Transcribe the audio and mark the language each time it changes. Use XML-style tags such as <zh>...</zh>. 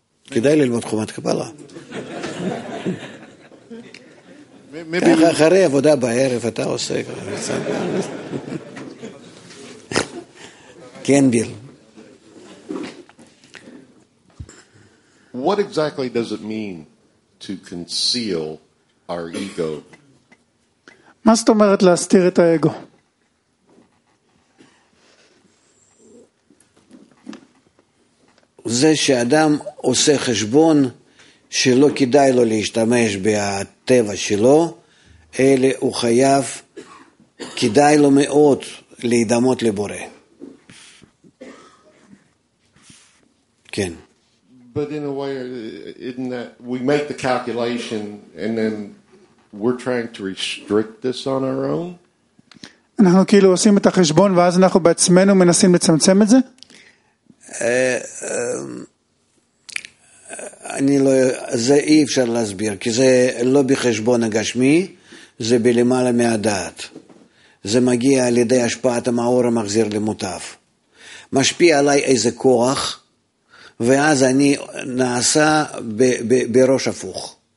<he>כדאי ללמוד חומת קבלה. maybe ככה אחרי עבודה בערב אתה עושה כן ביל.</he> <en>What exactly does it mean to conceal our ego?</en> <he>מה זאת אומרת להסתיר את האגו? זה שאדם עושה חשבון שלא כדאי לו להשתמש בטבע שלו, אלא הוא חייב, כדאי לו מאוד להידמות לבורא. כן.</he> <en>But in a way, isn't that we make the calculation and then we're trying to restrict this on our own?</en> <he>אנחנו כאילו עושים את החשבון ואז אנחנו בעצמנו מנסים לצמצם את זה? אני לא, זה אי אפשר להסביר, כי זה לא בחשבון הגשמי, זה בלמעלה מהדעת. זה מגיע על ידי השפעת המאור המחזיר למוטף. משפיע עליי איזה כוח, ואז אני נעשה בראש הפוך.</he>